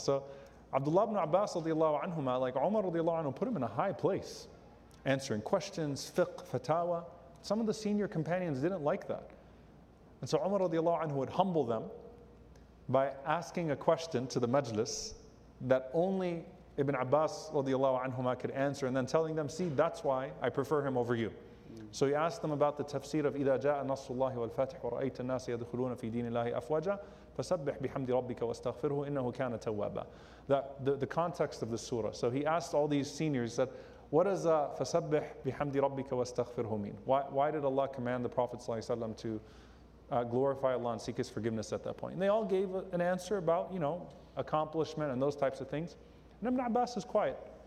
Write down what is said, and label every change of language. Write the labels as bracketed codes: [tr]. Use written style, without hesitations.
[en] So Abdullah ibn Abbas radiallahu anhuma, like Umar radiallahu anhu, put him in a high place, answering questions, fiqh, fatawa. Some of the senior companions didn't like that. And so Umar radiallahu anhu would humble them by asking a question to the majlis that only Ibn Abbas radiallahu anhuma could answer, and then telling them, see, that's why I prefer him over you. So he asked them about the tafsir of [ar] إِذَا جَاءَ نَصُّ اللَّهِ وَالْفَاتِحُ وَرَأَيْتَ النَّاسَ يَدْخُلُونَ فِي دِينِ اللَّهِ أَفْوَاجًا فَسَبِّحْ بِحَمْدِ رَبِّكَ وَاسْتَغْفِرْهُ إِنَّهُ كَانَ تَوَّابًا. [en] The context of the surah. So he asked all these seniors, that, what does [ar] فَسَبِّحْ بِحَمْدِ رَبِّكَ وَاسْتَغْفِرْهُ [en] mean? Why did Allah command the Prophet ﷺ to glorify Allah and seek His forgiveness at that point? And they all gave an answer about, you know, accomplishment and those types of things. And Ibn Abbas is quiet.